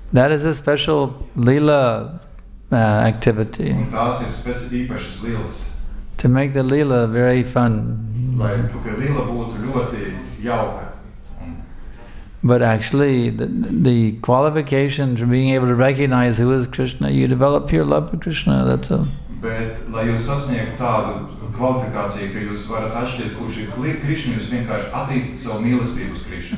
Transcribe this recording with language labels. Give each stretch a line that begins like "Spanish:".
English: That is a special lila activity.
Latvian: Un tās ir īpašas lilas.
English: To make the lila very fun.
Latvian: Lai, ka lila būtu ļoti jauka.
English: But actually, the qualification for being able to recognize who is Krishna, you develop your love for Krishna, that's all.
Latvian: Bet, lai jūs sasniegtu tādu kvalifikāciju, ka jūs varat atšķirt, kurš ir Krishna, jūs vienkārši attīstat savu mīlestību uz Krishna.